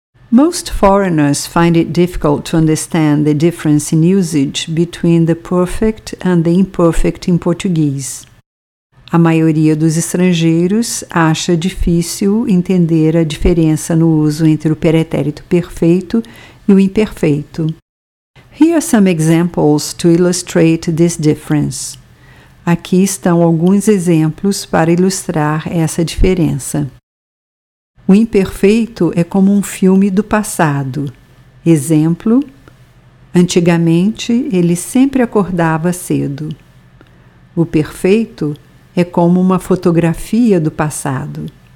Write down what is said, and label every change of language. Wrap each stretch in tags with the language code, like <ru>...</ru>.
<en>Most foreigners find it difficult to understand the difference in usage between the perfect and the imperfect in Portuguese.</en> <pt>A maioria dos estrangeiros acha difícil entender a diferença no uso entre o pretérito perfeito e o imperfeito.</pt> <en>Here are some examples to illustrate this difference.</en> <pt>Aqui estão alguns exemplos para ilustrar essa diferença. O imperfeito é como um filme do passado. Exemplo: antigamente ele sempre acordava cedo. O perfeito é como uma fotografia do passado.</pt>